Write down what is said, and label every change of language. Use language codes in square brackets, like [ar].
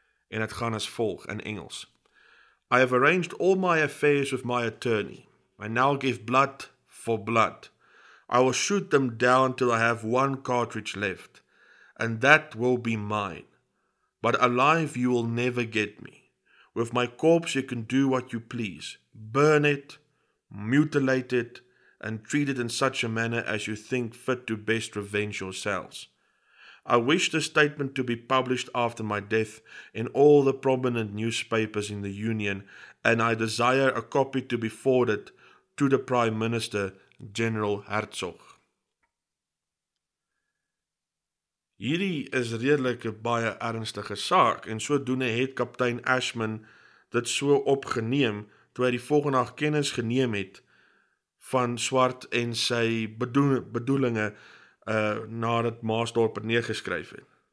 [af] En het gaan as volg in Engels. [en] I have arranged all my affairs with my attorney. I now give blood for blood. I will shoot them down till I have one cartridge left, and that will be mine. But alive you will never get me. With my corpse you can do what you please. Burn it, mutilate it, and treat it in such a manner as you think fit to best revenge yourselves. I wish the statement to be published after my death in all the prominent newspapers in the Union, and I desire a copy to be forwarded to the Prime Minister, General Herzog. [af] Hierdie is redelik 'n baie ernstige saak, en sodoende het kaptein Ashman dit so opgeneem, toe hy die volgende dag kennis geneem het van Swart en sy bedoelinge nadat Maasdorp het neergeskryf het.